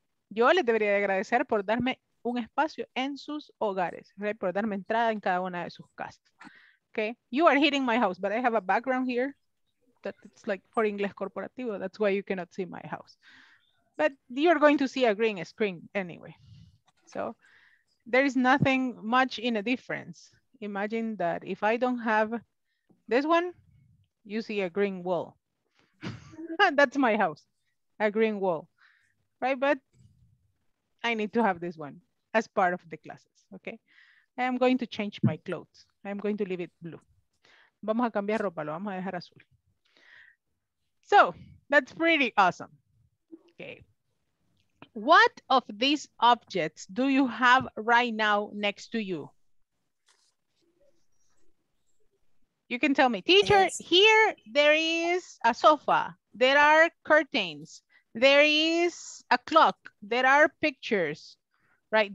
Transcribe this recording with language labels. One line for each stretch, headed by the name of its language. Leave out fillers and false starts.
Spanish: Yo les debería agradecer por darme un espacio en sus hogares,
English: right?
Spanish: Por darme entrada en cada una de sus casas.
English: Okay, you are hitting my house, but I have a background here that it's like for Inglés Corporativo. That's why you cannot see my house. But you're going to see a green screen anyway. So there is nothing much in a difference. Imagine that if I don't have this one, you see a green wall. That's my house, a green wall, right? But I need to have this one as part of the classes, okay? I am going to change my clothes. I am going to leave it blue.
Spanish: Vamos a cambiar ropa, lo vamos a dejar azul.
English: So that's pretty awesome, okay? What of these objects do you have right now next to you? You can tell me, teacher, yes. Here there is a sofa, there are curtains, there is a clock, there are pictures, right?